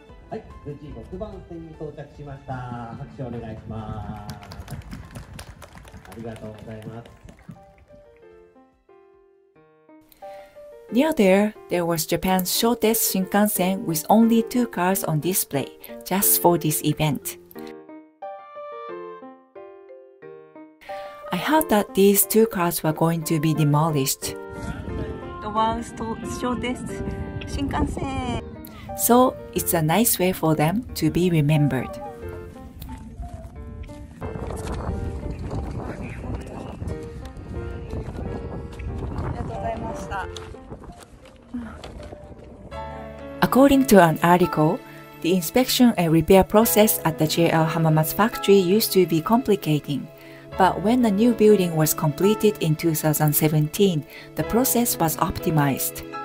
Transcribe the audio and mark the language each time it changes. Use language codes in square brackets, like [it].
[ja] はい、無事6番線に到着しました。拍手お願いします。ありがとうございます。 [en] Near there, there was Japan's shortest Shinkansen with only two cars on display, just for this event. I heard that these two cars were going to be demolished. The world's shortest Shinkansen! So, it's a nice way for them to be remembered. [ja] ありがとうございました。 [en] According to an article, the inspection and repair process at the JR Hamamatsu factory used to be complicating, but when the new building was completed in 2017, the process was optimized.